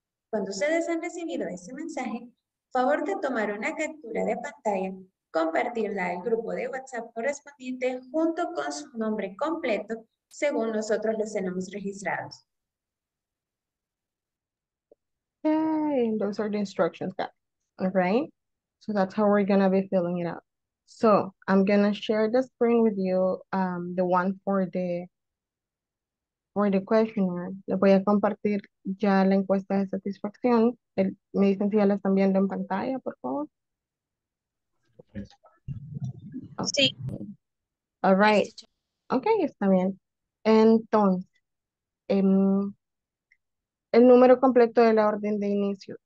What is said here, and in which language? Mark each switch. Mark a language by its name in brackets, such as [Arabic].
[Spanish] Cuando ustedes han recibido ese mensaje, favor de tomar una captura de pantalla, compartirla al grupo de WhatsApp correspondiente junto con su nombre completo, según nosotros los tenemos registrados. [English] Okay, those are the instructions, guys. All right, so that's how we're gonna be filling it out. So I'm gonna share the screen with you, the one for the questionnaire. [Spanish] Les voy a compartir ya la encuesta de satisfacción. Me dicen si ya la están viendo en pantalla, por favor. Sí. [English] All right. Okay, [Spanish] está bien. Entonces, el número completo de la orden de inicio.